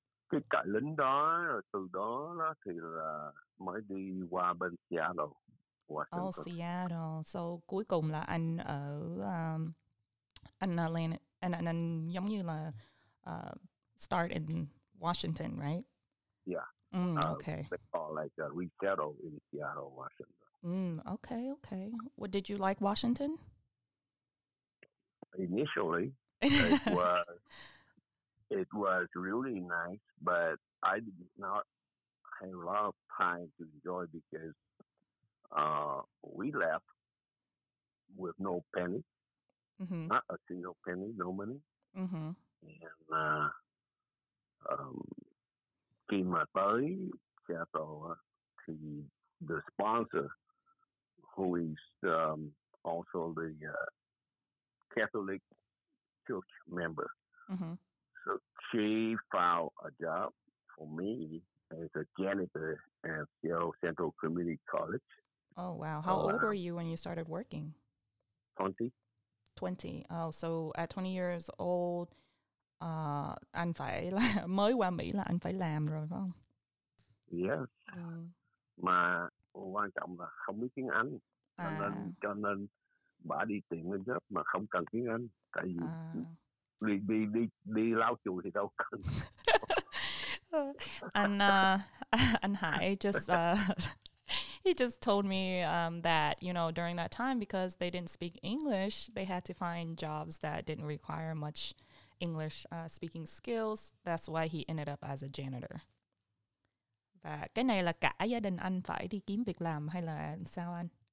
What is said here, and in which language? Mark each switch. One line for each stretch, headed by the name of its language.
Vietnamese: Cái trại lính đó, rồi từ đó thì là mới đi qua bên Seattle.
English: Oh, Seattle.
Vietnamese: So cuối cùng là anh ở anh giống như là
English: start in Washington, right? Yeah. Okay. They call like a resettle in Seattle, Washington. Okay. What did you like Washington? Initially, it was really nice, but I did not have a lot of time to enjoy because we left with no penny, mm-hmm. not a single penny, no money. Mm-hmm. And
Vietnamese: khi mà tới Seattle, thì
English: the sponsor, who is also the Catholic church member, mm-hmm. so she found a job for me as a janitor at Seattle Central Community College. Oh, wow. How old were you when you started working? 20. Oh, so at 20 years old,
Vietnamese: anh phải mới qua Mỹ là anh phải làm rồi, phải không?
English: Yes.
Vietnamese: Mà quan trọng là không biết tiếng Anh. Cho nên bà đi tìm cái job mà không cần tiếng Anh. Tại vì đi lau chùi thì đâu cần.
English: And Hai just... He just told me that, you know, during that time, because they didn't speak English, they had to find jobs that didn't require much English speaking skills. That's why he ended up as a janitor.
Vietnamese: Và cái này là cả gia đình anh phải đi kiếm việc làm hay là sao anh?